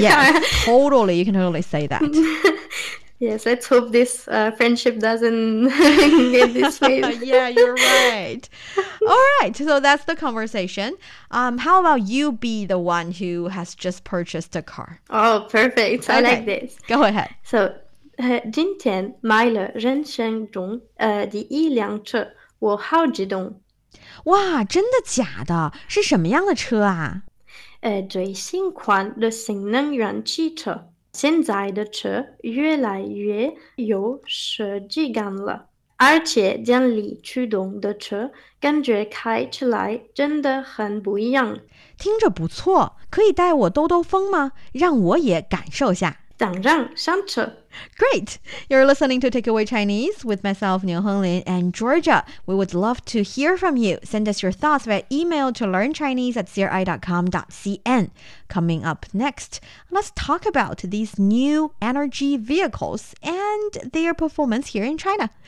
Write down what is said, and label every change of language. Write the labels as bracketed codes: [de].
[en] Yes, totally, you can totally say that. Yes, let's hope this friendship doesn't get this way. Yeah, you're right. All right, so that's the conversation. How about you be the one who has just purchased a car? Oh, perfect. Okay. I like this. Go ahead. [zh] So, 今天买了人生中第一辆车，我好激动。哇，真的假的？是什么样的车啊？最新款的新能源汽车。现在的车越来越有设计感了。而且电力驱动的车感觉开起来真的很不一样。听着不错，可以带我兜兜风吗？让我也感受下。当然，上车。 [en] Great! You're listening to Takeaway Chinese with myself, Niu Honglin, and Georgia. We would love to hear from you. Send us your thoughts via email to learnchinese@cri.com.cn. Coming up next, let's talk about these new energy vehicles and their performance here in China.